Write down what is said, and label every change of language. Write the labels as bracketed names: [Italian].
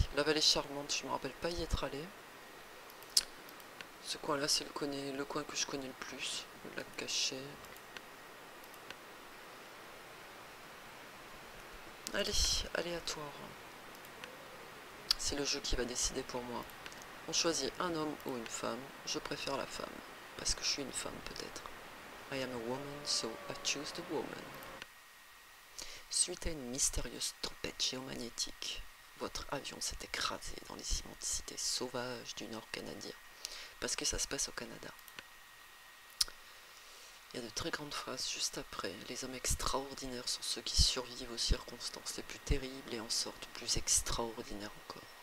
[French] La vallée charmante, je me rappelle pas y être allé. Ce coin là c'est le coin que je connais le plus, le lac caché. Allez, aléatoire. C'est le jeu qui va décider pour moi. On choisit un homme ou une femme. Je préfère la femme. Parce que je suis une femme, peut-être. [English] I am a woman, so I choose the woman. [French] Suite à une mystérieuse tempête géomagnétique, votre avion s'est écrasé dans les immensités sauvages du nord canadien. Parce que ça se passe au Canada. Il y a de très grandes phrases juste après. Les hommes extraordinaires sont ceux qui survivent aux circonstances les plus terribles et en sortent plus extraordinaires encore.